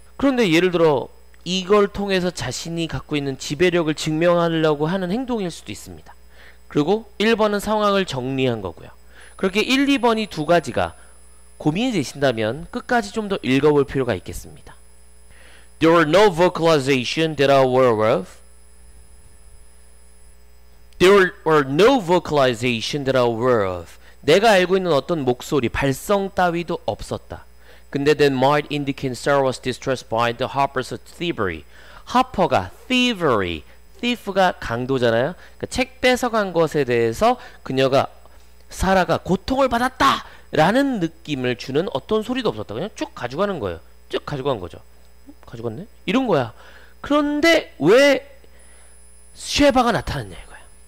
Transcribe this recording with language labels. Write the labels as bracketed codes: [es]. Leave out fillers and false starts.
[ko] 그런데 예를 들어 이걸 통해서 자신이 갖고 있는 지배력을 증명하려고 하는 행동일 수도 있습니다. 그리고 1번은 상황을 정리한 거고요. 그렇게 1, 2번이 두 가지가 고민이 되신다면 끝까지 좀 더 읽어볼 필요가 있겠습니다. [en] There were no vocalization that I were aware of. There were no vocalization that I were of. [ko] 내가 알고 있는 어떤 목소리, 발성 따위도 없었다. [en] 근데 that might indicate Sarah was distressed by the Harper's thievery. [ko] 하퍼가 thievery, thief가 강도잖아요. 그러니까 책 뺏어간 것에 대해서 그녀가, 사라가 고통을 받았다! 라는 느낌을 주는 어떤 소리도 없었다. 그냥 쭉 가져가는 거예요. 쭉 가져간 거죠. 가져갔네? 이런 거야. 그런데 왜 쉐바가 나타났냐 이거야.